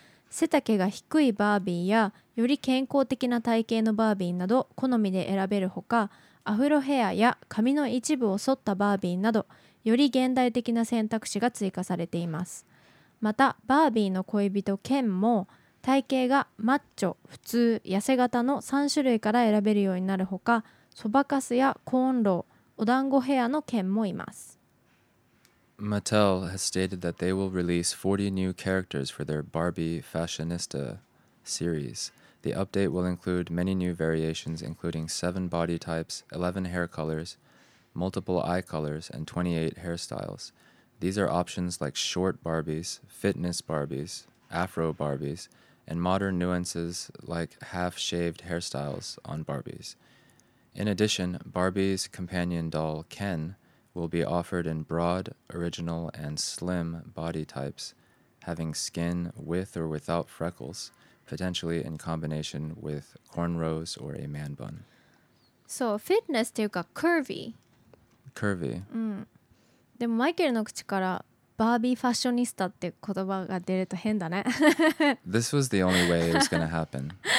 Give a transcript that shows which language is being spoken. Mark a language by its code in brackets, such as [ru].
[ja] 背丈が低いバービーや、より健康的な体型のバービーなど好みで選べるほか、アフロヘアや髪の一部を剃ったバービーなど、より現代的な選択肢が追加されています。また、バービーの恋人ケンも、体型がマッチョ、普通、痩せ型の3種類から選べるようになるほか、そばかすやコーンロー、お団子ヘアの剣もいます。 [en] Mattel has stated that they will release 40 new characters for their Barbie Fashionista series. The update will include many new variations, including 7 body types, 11 hair colors, multiple eye colors, and 28 hairstyles. These are options like short Barbies, fitness Barbies, afro Barbies,and modern nuances like half-shaved hairstyles on Barbies. In addition, Barbie's companion doll, Ken, will be offered in broad, original, and slim body types, having skin with or without freckles, potentially in combination with cornrows or a man bun. So, fitness [ja] っていうか [en] curvy. Curvy. [ja] でもマイケルの口からバービーファッショニスタって言葉が出ると変だね。 [en] This was the only way it was gonna happen.